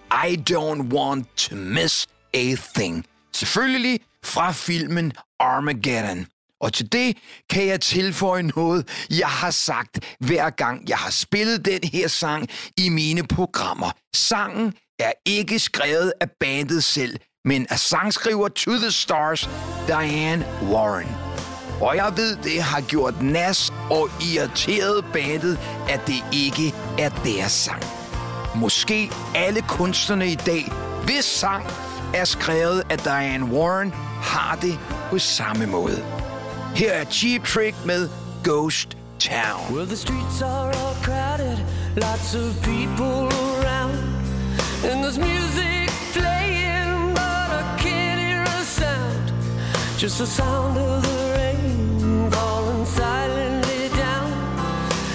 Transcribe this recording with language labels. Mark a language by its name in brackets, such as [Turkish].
[English] I don't want to miss a thing. [Danish] Selvfølgelig fra filmen Armageddon. Og til det kan jeg tilføje noget, jeg har sagt hver gang, jeg har spillet den her sang i mine programmer. Sangen er ikke skrevet af bandet selv, men af sangskriver To The Stars, Diane Warren. Og jeg ved, det har gjort nas og irriteret bandet, at det ikke er deres sang. Måske alle kunstnerne i dag, hvis sang er skrevet af Diane Warren, har det på samme måde. [English] Here at Cheap Trick with Ghost Town. Well, the streets are all crowded, lots of people around. And there's music playing, but I can't hear a sound. Just the sound of the rain falling silently down.